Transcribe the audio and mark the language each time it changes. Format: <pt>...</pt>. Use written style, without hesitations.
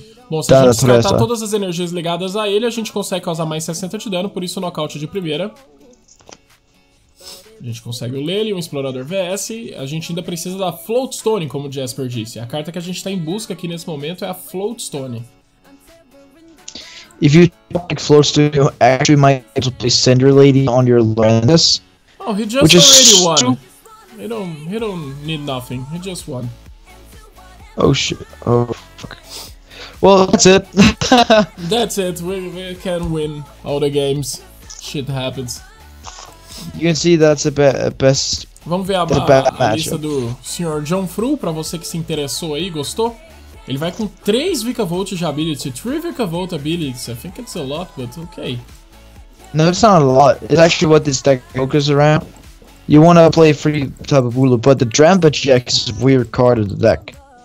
<pt>Bom, se a gente descartar todas as energias ligadas a ele, a gente consegue causar mais 60 de dano, por isso o nocaute de primeira. A gente consegue o Lele, um explorador VS. A gente ainda precisa da Floatstone, como o Jasper disse. A carta que a gente está em busca aqui nesse momento é a Floatstone.</pt> <en>If you don't like Floatstone, you actually might have to play Cinder Lady on your Lorandus. Oh, he just already won. He don't need nothing. He just won. Oh shit. Oh fuck. Well, that's it. That's it. We can win all the games. Shit happens. You can see that's the best.</en> <pt>Vamos ver a lista do Sr. John Fru, pra você que se interessou aí, gostou? Ele vai com 3 Vika Volt de ability.</pt> <en>3 Vika Volt abilities. I think it's a lot, but okay. No, it's not a lot. It's actually what this deck focuses around. You want to play 3 type of Hulu, but the Drampa GX is a weird card of the deck.</en>